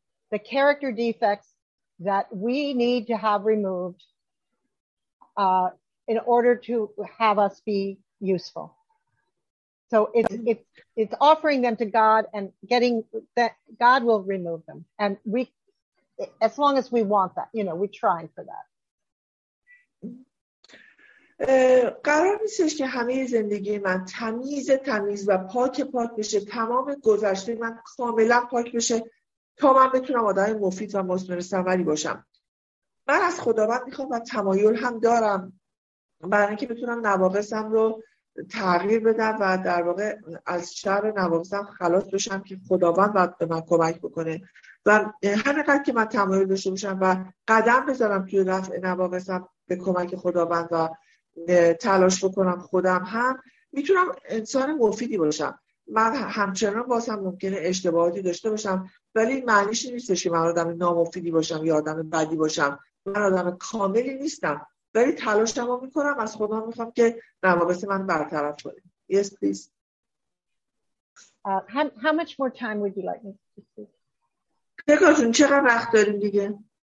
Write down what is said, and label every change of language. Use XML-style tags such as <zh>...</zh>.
<en>the character defects that we need to have removed in order to have us be useful. So it's offering them to God and getting that God will remove them. And we, as long as we want that, you know, we try for that.</en> <fa>قرار نیستش که همه زندگی من تمیز تمیز و پاک پاک بشه، تمام گذشته من کاملا پاک بشه تا من بتونم آدم مفید و مثمر ثمری باشم. من از خداوند میخوام و تمایل هم دارم برای اینکه بتونم نواقصم رو تغییر بدم و در واقع از شر نواقصم خلاص بشم که خداوند باید به من کمک بکنه، و همینقدر که من تمایل داشته باشم و قدم بذارم توی رفع نواقصم به کمک خداوند و تلاش بکنم خودم هم میتونم انسان مفیدی باشم. من همچنان بازم ممکنه اشتباهاتی داشته باشم، ولی معنیش نیستش که من آدم نامفیدی باشم یا آدم بدی باشم. من آدم کاملی نیستم، ولی تلاشمو میکنم، از خودم میخوام که نواقص من برطرف کنه.</fa> <en>Yes please. How much more time would you like me to speak?</en> <fa>دیگه جون چقدر وقت داریم دیگه؟</fa>